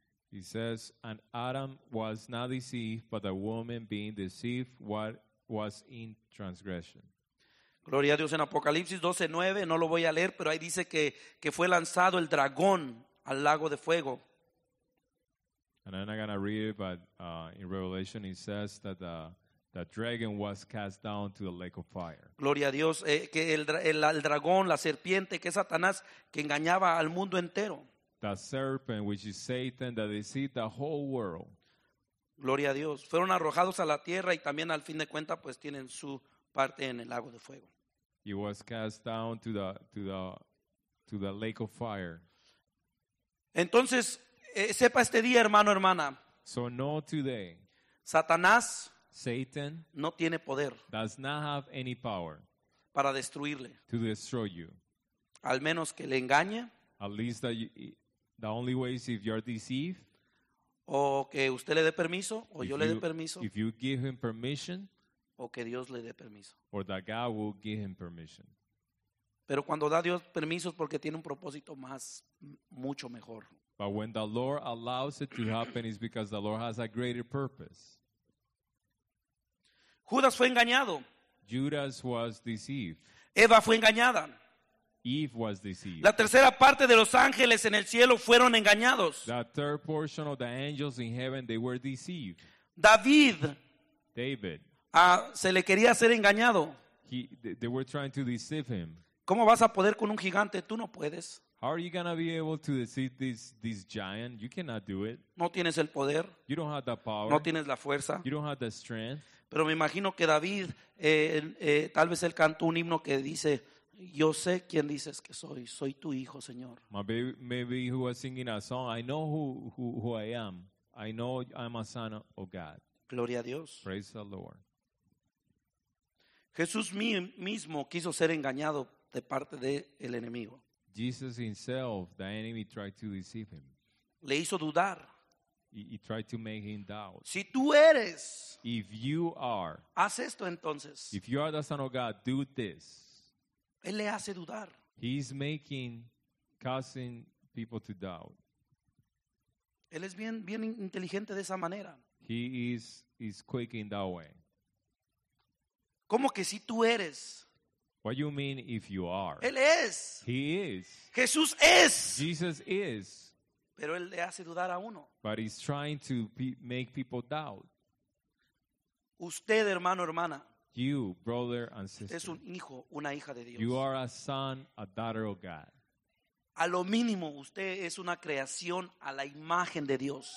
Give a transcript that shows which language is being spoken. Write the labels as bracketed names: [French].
[English] He says, and Adam was not deceived, but the woman being deceived what was in transgression. [Spanish] Gloria a Dios en Apocalipsis 12:9. No lo voy a leer, pero ahí dice que fue lanzado el dragón al lago de fuego. [English] And I'm not going to read it, but in Revelation it says that the dragon was cast down to the lake of fire. [Spanish] Gloria a Dios, que el dragón, la serpiente, que es Satanás, que engañaba al mundo entero. [English] The serpent, which is Satan, that deceived the whole world. [Spanish] Gloria a Dios. Fueron arrojados a la tierra y también al fin de cuenta, pues tienen su parte en el lago de fuego. [English] He was cast down to the lake of fire. [Spanish] Entonces, sepa este día, hermano, hermana. [English] So know today. [Spanish] Satanás. [English] Satan [Spanish] no tiene poder. [English] Does not have any power [Spanish] para destruirle. [English] To destroy you. [Spanish] Al menos que le engañe. [English] At least that the only way is if you're deceived. [Spanish] O que usted le dé permiso o yo le dé permiso. [English] If you give him permission. [Spanish] O que Dios le dé permiso. [English] Or that God will give him permission. [Spanish] Pero cuando da Dios permiso es porque tiene un propósito más mucho mejor. [English] But when the Lord allows it to happen is because the Lord has a greater purpose. [Spanish] Judas fue engañado. [English] Judas was deceived. [Spanish] Eva fue engañada. [English] Eve was deceived. [Spanish] La tercera parte de los ángeles en el cielo fueron engañados. [English] The third portion of the angels in heaven, they were deceived. [Spanish] David. [English] David. [Spanish] Se le quería hacer engañado. [English] They were trying to deceive him. [Spanish] ¿Cómo vas a poder con un gigante? Tú no puedes. [English] How are you going to be able to defeat this giant? You cannot do it. [Spanish] No tienes el poder. [English] You don't have the power. [Spanish] No tienes la fuerza. [English] You don't have the strength. [Spanish] Pero me imagino que David, tal vez él cantó un himno que dice, yo sé quién dices que soy, soy tu hijo, Señor. [English] Maybe he was singing a song, I know who I am. I know I'm a son of God. [Spanish] Gloria a Dios. [English] Praise the Lord. [Spanish] Jesús mismo quiso ser engañado de parte del enemigo. [English] Jesus himself, the enemy tried to deceive him. [Spanish] Le hizo dudar. [English] He tried to make him doubt. [Spanish] Si tú eres, [English] if you are, [Spanish] haz esto entonces. [English] If you are the son of God, do this. [Spanish] Él le hace dudar. [English] He's making, causing people to doubt. [Spanish] Él es bien, bien inteligente de esa manera. [English] He is quick in that way. [Spanish] ¿Cómo que si tú eres? [English] What do you mean if you are? [Spanish] Él es. [English] He is. [Spanish] Jesús es. [English] Jesus is. [Spanish] Pero él le hace dudar a uno. [English] But he's trying to make people doubt. [Spanish] Usted, hermano, hermana. [English] You, brother and sister. [Spanish] Es un hijo, una hija de Dios. [English] You are a son, a daughter of God. [Spanish] A lo mínimo, usted es una creación a la imagen de Dios.